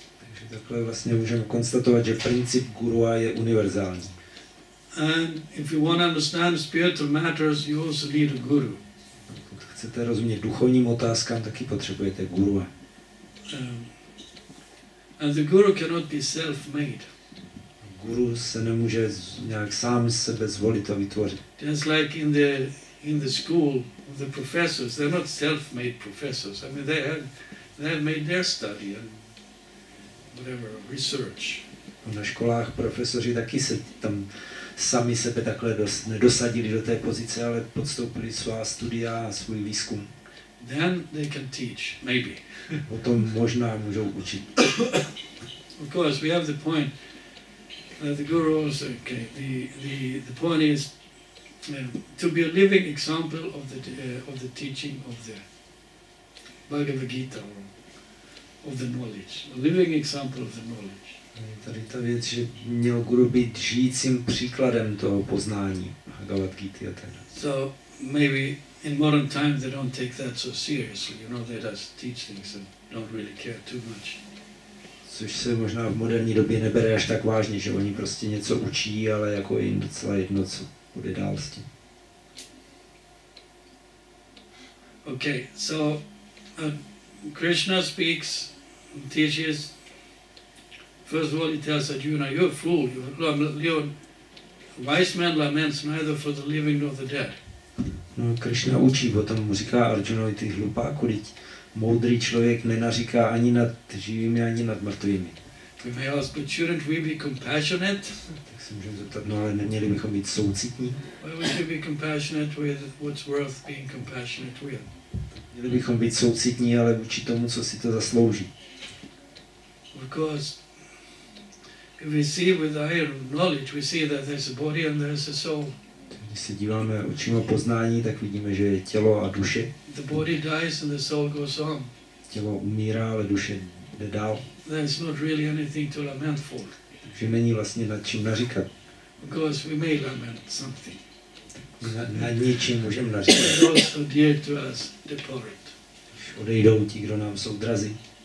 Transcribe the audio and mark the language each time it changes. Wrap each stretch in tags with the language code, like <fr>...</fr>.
<cs>Takže takhle vlastně můžeme konstatovat, že princip guru je univerzální.</cs> <en>And if you want to understand spiritual matters, you also need a guru.</en> <cs>Pokud chcete rozumět duchovním otázkám, taky potřebujete guru.</cs> <en>And the guru cannot be self-made.</en> <cs>Guru se nemůže nějak sám sebe zvolit a vytvořit.</cs> <en>Just like in the school, the professors, they're not self-made professors. I mean, they have made their study and whatever research.</en> <cs>Na školách profesoři taky se tam sami sebe takhle nedosadili do té pozice, ale podstoupili svá studia a svůj výzkum.</cs> <en>Then they can teach, maybe.</en> <cs>O tom možná můžou učit.</cs> <en>Of course, we have the point that the guru also, okay, the point is to be a living example of the teaching of the Bhagavad Gita, or of the knowledge, a living example of the knowledge.</en> <cs>Je tady ta věc, že měl guru být žijícím příkladem toho poznání Bhagavad Gita a tak.</cs> <en>So maybe in modern times they don't take that so seriously, you know, they just teach things and don't really care too much.</en> <cs>Což se možná v moderní době nebere až tak vážně, že oni prostě něco učí, ale jako jim docela jedno, co bude dál s tím.</cs> <en>Okay, so Krishna speaks, teaches. First of all, he tells Arjuna, you're a fool. Your wise man laments neither for the living nor the dead.</en> <cs>No, Krishna učí, potom mu říká Arjunovi, ty hlupáku, teď moudrý člověk nenaříká ani nad živými, ani nad mrtvými.</cs> <en>We may ask, but shouldn't we be compassionate?</en> <cs>Tak se můžeme zeptat, no ale neměli bychom být soucitní?</cs> <en>Why would you be compassionate with what's worth being compassionate with?</en> <cs>Měli bychom být soucitní, ale vůči tomu, co si to zaslouží.</cs> <en>Of course, if we see with the eye of knowledge, we see that there's a body and there's a soul.</en> <cs>Když se díváme očima poznání, tak vidíme, že je tělo a duše.</cs> <en>The body dies and the soul goes on.</en> <cs>Tělo umírá, ale duše jde dál.</cs> <en>There's not really anything to lament for.</en> <cs>Takže není vlastně nad čím naříkat.</cs> <en>Because we may lament something.</en> <cs>Nad něčím můžeme naříkat.</cs> <en>Those who dear to us depart.</en> <cs>Odejdou ti, kdo nám jsou drazí.</cs>